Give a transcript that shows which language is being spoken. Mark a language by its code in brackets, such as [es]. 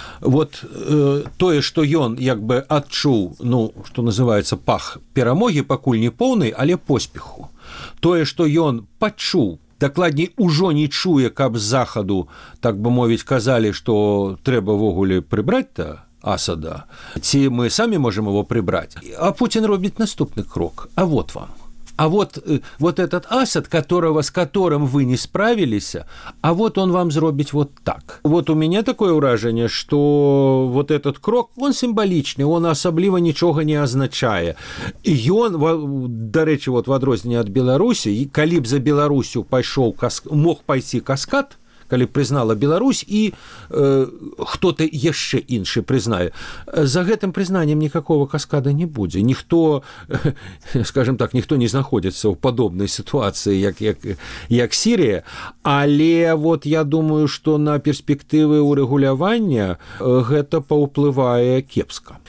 [be] Вот тое, што ён як бы адчуў, ну, што называецца, пах перамогі, пакуль не поўнай, але поспеху. Тое, што ён пачуў, дакладней, ужо не чуе, каб з Захаду, так бы мовіць, казалі, што трэба ўвогуле прыбраць-то Асада, ці мы самі можам его прыбраць. А Пуцін робіць наступны крок. [ru] А вот вам. А вот этот Асад, с которым вы не справились, а вот он вам сделает вот так. Вот у меня такое уражение, что вот этот крок, он символичный, он особливо ничего не означает. И он, до речи, вот в отрознении от Беларуси, коли б за Беларусью пошел, мог пойти каскад, [be] калі прызнала Беларусь і хто-то яшчэ іншы прызнае. За гэтым прызнанням [ru] никакого каскада [be] не будзе. Ніхто, скажем так, ніхто не знаходзіцца ў падобнай сітуацыі, як Сірія. Але вот я думаю, што на перспектывы ўрэгулявання гэта паўплывае кепска.